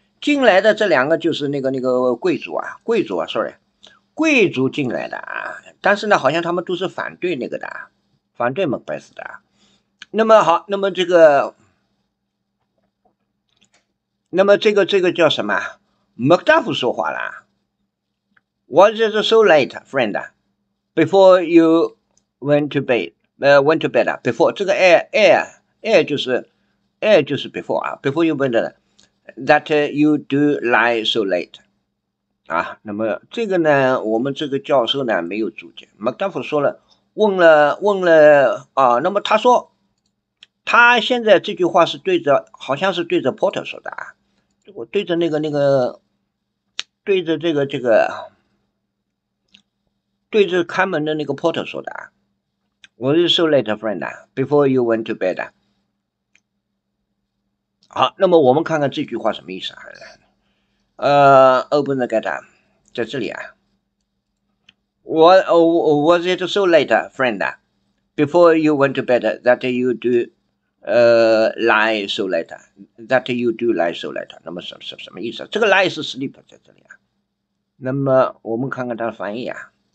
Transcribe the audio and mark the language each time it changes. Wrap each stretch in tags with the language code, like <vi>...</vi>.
<zh>进来的这两个就是那个贵族啊，sorry，贵族进来的啊。但是呢，好像他们都是反对那个的，反对 Macbeth 的。那么好，那么这个叫什么？</zh> <en>Macduff</en> <zh>说话啦，</zh> <en>Was it so late, friend? Before you went to bed, went to bed. Before 这个 air</en> <zh>就是</zh> <en>before 啊，before you went that you do lie so late 啊。</en> <zh>那么这个呢，我们这个教授呢没有主见。Macduff 说了，问了啊，那么他说，他现在这句话是对着，好像是对着 Porter 说的啊，我对着对着对着看门的那个 Porter 说的啊。</zh> <en>Was it so late, friend? Before you went to bed?</en> <zh>好，那么我们看看这句话什么意思啊？</zh> <en>Open the gate，</en> <zh>在这里啊。</zh> <en>Was it so late, friend? Before you went to bed, that you do, lie so late, that you do lie so late.</en> <zh>那么什么意思啊？这个 lie 是 sleep 在这里啊。那么我们看看它的翻译啊。</zh>